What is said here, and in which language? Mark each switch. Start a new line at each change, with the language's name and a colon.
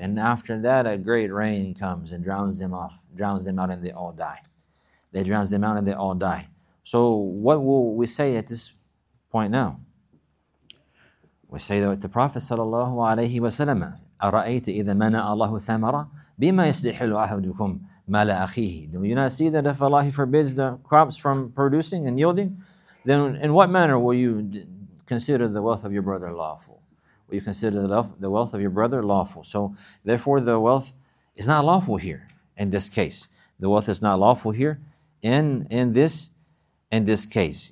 English: And after that, a great rain comes and drowns them out, and they all die. They drowns them out and they all die. So what will we say at this point now? We say that the Prophet sallallahu alayhi wa sallam,
Arabic: أَرَأَيْتَ إِذَا مَنَعَ اللَّهُ ثَمَرَ بِمَا يَسْدِحِلُ أَحَدُكُمْ مَلَ أَخِيهِ.
English: Do you not see that if Allah forbids the crops from producing and yielding, then in what manner will you consider the wealth of your brother lawful? Will you consider the wealth of your brother lawful? So therefore the wealth is not lawful here in this case. The wealth is not lawful here in this case.